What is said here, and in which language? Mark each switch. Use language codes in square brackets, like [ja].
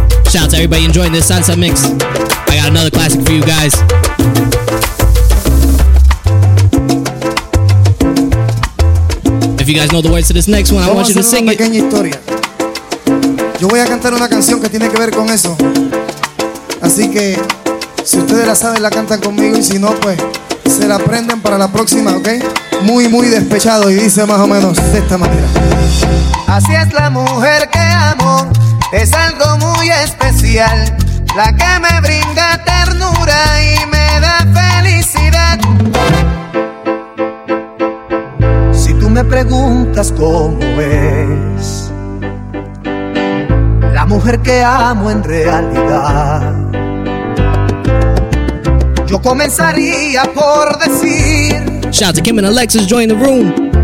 [en] Shout out to everybody enjoying this salsa mix. Another classic for you guys. If you guys know the words to this next one, I want you to sing it. [es] Yo voy a cantar una canción que tiene que ver con eso. Así que si ustedes la saben, la cantan conmigo. Y si no, pues se la aprenden para la próxima, ¿ok? Muy, muy despechado. Y dice más o menos de esta manera: así es la mujer que amo. Es algo muy especial. La que me brinda ternura y me da felicidad. Si tú me preguntas cómo es la mujer que amo en realidad, yo comenzaría por decir: [en] shout out to Kim and Alexis, join the room.